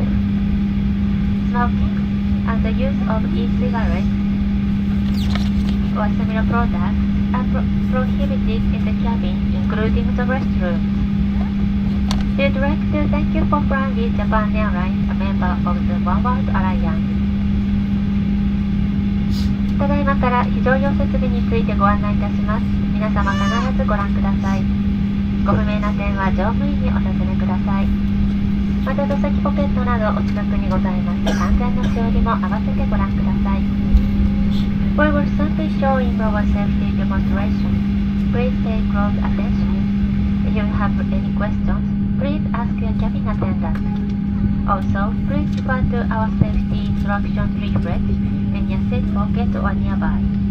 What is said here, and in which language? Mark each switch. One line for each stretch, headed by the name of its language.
English: Smoking and the use of e-cigarettes or similar products are prohibited in the cabin, including the restroom. We'd like to thank you for flying with Japan Airlines, a member of the One World Alliance.
Japanese: ただいまから非常用設備についてご案内いたします。皆様必ずご覧ください。ご不明な点は乗務員にお尋ねください。また座席ポケットなどお近くにございます。安全の修理も合わせてご覧ください。
English: We will soon be showing our safety demonstration. Please pay close attention. If you have any questions, please ask your cabin attendant. Also, please refer to our safety instruction leaflet in your seat pocket or nearby.